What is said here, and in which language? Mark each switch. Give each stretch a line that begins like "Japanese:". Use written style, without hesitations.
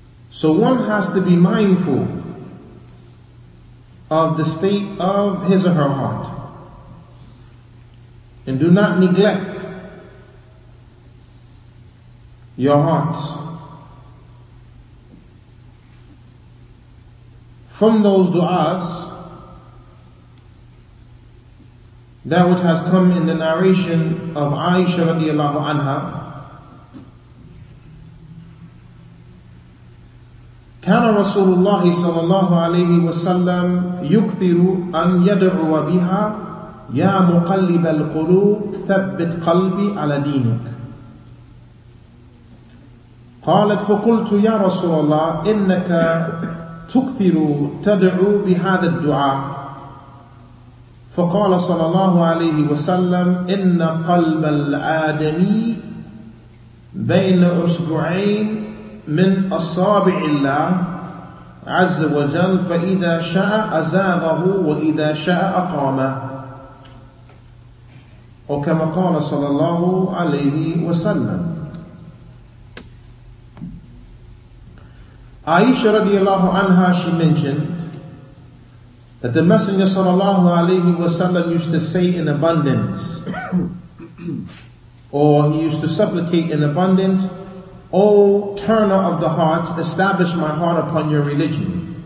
English: So one has to be mindful of the state of his or her heart, and do not neglect your hearts from those du'as, that which has come in the narration of Aisha radiallahu anha.
Arabic: كان رسول الله صلى الله عليه وسلم يكثر أن يدعو بها يا مقلب القلوب ثبت قلبي على دينك قالت فقلت يا رسول الله إنك تكثر تدعو بهذا الدعاء فقال صلى الله عليه وسلم إن قلب الآدمي بين أصبعين من أصابع الله عز وجل فإذا شاء أزاغه وإذا شاء أقامه وكما قال صلى الله عليه وسلم.
English: Aisha radiallahu anha, she mentioned that the Messenger sallallahu alayhi wa sallam used to say in abundance, or he used to supplicate in abundance, O turner of the hearts, establish my heart upon your religion.